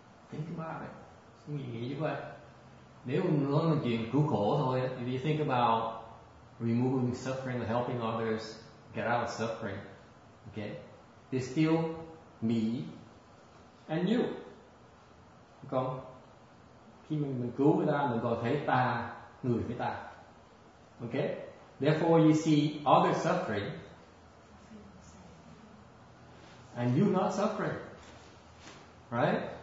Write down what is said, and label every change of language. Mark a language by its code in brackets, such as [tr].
[en] Think about it. [vi] Nghĩ như vậy. Nếu nó là chuyện cứu khổ thôi, [en] if you think about removing suffering and helping others get out of suffering, okay, it's still me and you. [vi] Còn khi mình cứu người ta, mình còn thấy ta, người với ta. [en] Okay, therefore you see others suffering and you not suffering, right?